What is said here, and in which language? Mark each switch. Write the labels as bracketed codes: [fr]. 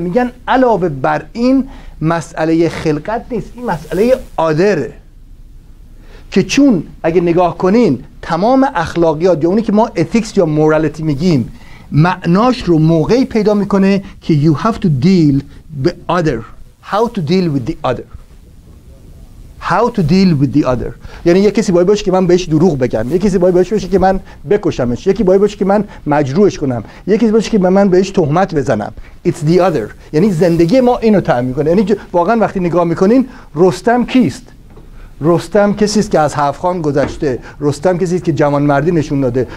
[fa] میگن علاوه بر این مسئله خلقت نیست، این مسئله آدره، که چون اگه نگاه کنین تمام اخلاقیات یا اونی که ما اتیکس یا مورالیتی میگیم معناش رو موقعی پیدا میکنه که [en] you have to deal with the other. How to deal with the other. How to deal with the other. [fa] یعنی یک کسی باید باشه که من بهش دروغ بگم، یک کسی باید باشه که من بکشمش، یکی باید باشه که من مجروحش کنم، یک کسی باشه که من بهش تهمت بزنم. [en] It's the other. [fa] یعنی زندگی ما اینو تعیین میکنه. یعنی واقعا وقتی نگاه میکنین رستم کیست؟ رستم کسی است که از هفت خان گذشته، رستم کسی است که جوان مردی نشون داده.